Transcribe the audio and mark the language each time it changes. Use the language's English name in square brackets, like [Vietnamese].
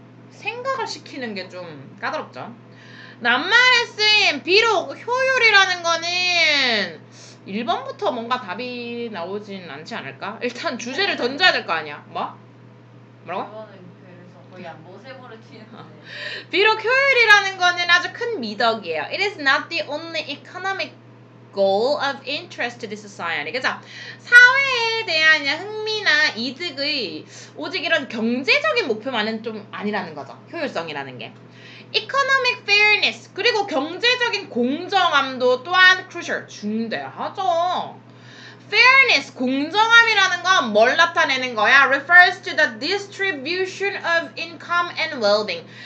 [Korean] 생각을 시키는 게 좀 까다롭죠. 낱말에 쓰인 비록 효율이라는 거는 1번부터 뭔가 답이 나오진 않지 않을까? 일단 주제를 던져야 될 거 아니야. 뭐? 뭐라고? 이거는 그래서 거의 안 모세버릇이는데 비록 효율이라는 거는 아주 큰 미덕이에요. [English] It is not the only economic goal of interest to the society. [Korean] 그죠? 사회에 대한 흥미나 이득의 오직 이런 경제적인 목표만은 좀 아니라는 거죠. 효율성이라는 게. [English] Economic fairness. [Korean] 그리고 경제적인 공정함도 또한 crucial. 중대하죠. Fairness. 공정함이라는 건 뭘 나타내는 거야? [English] Refers to the distribution of income and well-being.